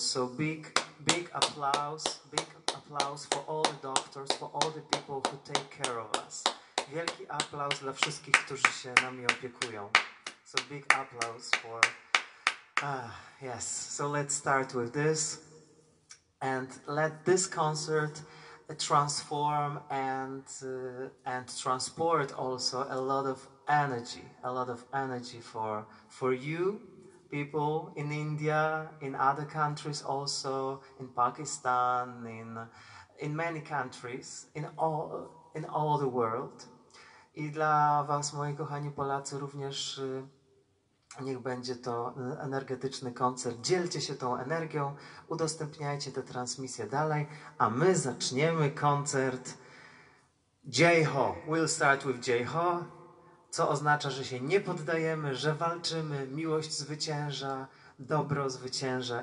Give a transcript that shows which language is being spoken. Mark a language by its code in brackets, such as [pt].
[en] So big applause for all the doctors, for all the people who take care of us. [pl] Wielki aplauz dla wszystkich, którzy się nami opiekują. [en] So big aplauz for... yes, so let's start with this. And let this concert transform and transport also a lot of energy. A lot of energy for you, people in India, in other countries also, in Pakistan, in many countries, in all the world. [pl] I dla was, moi kochani Polacy, również niech będzie to energetyczny koncert. Dzielcie się tą energią, udostępniajcie tę transmisję dalej, a my zaczniemy koncert J-Ho. [en] We'll start with J-Ho, [pl] co oznacza, że się nie poddajemy, że walczymy, miłość zwycięża, dobro zwycięża.